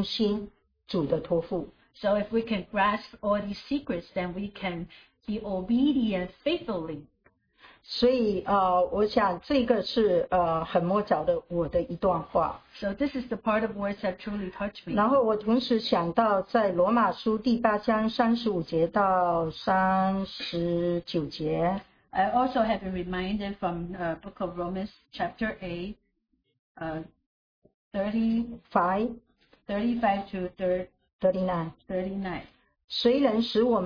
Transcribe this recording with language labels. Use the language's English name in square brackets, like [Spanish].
[Chinese] 如果我们能摸到这一个窍门的话，就说我们就能够喜喜乐乐的来至始忠心主的托付。So [English] if we can grasp all these secrets, then we can be obedient faithfully. [Chinese] 所以我想这个是很摸着的我的一段话。So [English] this is the part of words that truly touched me. [Chinese] 然后我同时想到在罗马书第八章35节到39节。I [English] also have been reminded from Book of Romans chapter 8, 35 to 39.